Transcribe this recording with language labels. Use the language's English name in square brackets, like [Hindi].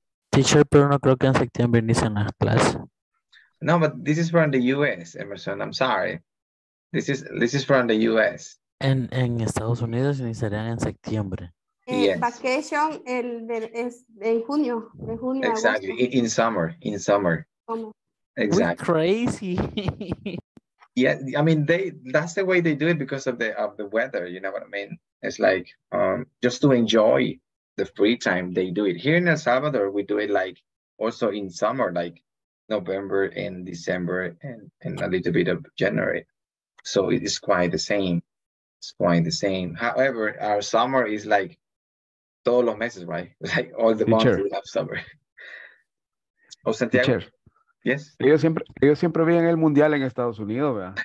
[English] Teacher, [Spanish] pero no creo que en septiembre inician las clases. [English] No, but this is from the US, Emerson. I'm sorry. This is from the US. [Spanish] En Estados Unidos iniciarían en septiembre. [English] Yes. Vacation [Spanish] en junio. [English] Exactly. [Spanish] Agosto. [English] In summer. Exactly. We're crazy. Yeah, I mean that's the way they do it because of the weather, you know what I mean? It's like just to enjoy the free time, they do it. Here in El Salvador, we do it like also in summer, like November and December and a little bit of January. So it is quite the same. It's quite the same. However, our summer is like [Spanish] todos los meses, [English] right? Like all the months we have summer. Oh, Santiago. Teacher. Yes. [Spanish] Ellos siempre viven el mundial en Estados Unidos, ¿verdad?